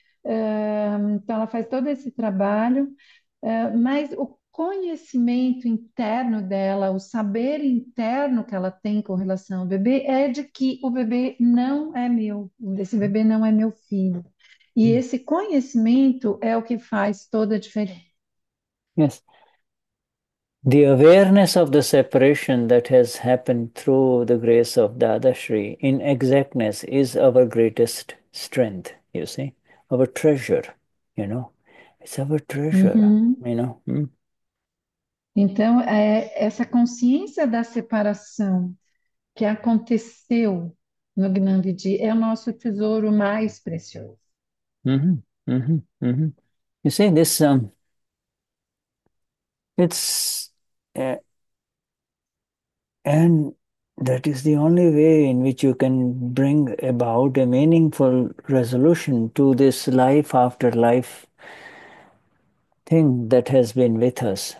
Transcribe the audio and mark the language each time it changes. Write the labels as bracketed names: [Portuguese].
[Portuguese] Então, ela faz todo esse trabalho, mas o conhecimento interno dela, o saber interno que ela tem com relação ao bebê, é de que o bebê não é meu, esse bebê não é meu filho. E esse conhecimento é o que faz toda a diferença. [English] Yes. The awareness of the separation that has happened through the grace of Dadashri in exactness is our greatest strength, you see, our treasure, you know. It's our treasure, you know. [Portuguese] Então, essa consciência da separação que aconteceu no Gnandidi é o nosso tesouro mais precioso. [English] You see, this, it's, and that is the only way in which you can bring about a meaningful resolution to this life after life thing that has been with us.